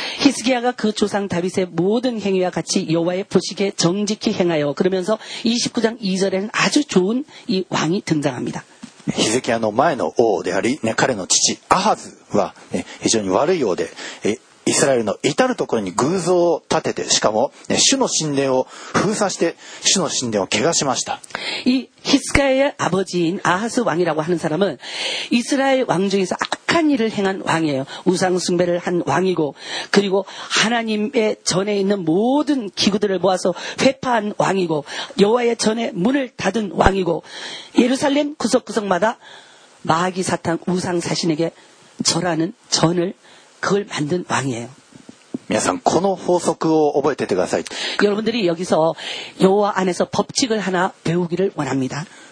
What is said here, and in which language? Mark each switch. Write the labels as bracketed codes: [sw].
[ko] 히스기야가그조상다윗의모든행위와같이여호와의보시기에정직히행하여그러면서29장2절에는아주좋은이왕이등장합니다。 [ja] 히스기야의前の王であり彼の父아하즈は非常に悪い王で、이스라엘의至るところに偶像を立てて、しかも主の神殿を封鎖して主の神殿を汚しました。 [ko] 이히스기야의아버지인아하스왕이라고하는사람은이스라엘왕중에서아 악한 일을 행한 왕이에요. 우상 숭배를 한 왕이고 그리고 하나님의 전에 있는 모든 기구들을 모아서 훼파한 왕이고 여호와의 전에 문을 닫은 왕이고 예루살렘 구석구석마다 마귀 사탄 우상 사신에게 절하는 전을 그걸 만든 왕이에요. 여러분, [ja] この [ko] 법칙을 [ja] 覚えててください. [ko] 여러분들이 여기서 여호와 안에서 법칙을 하나 배우기를 원합니다.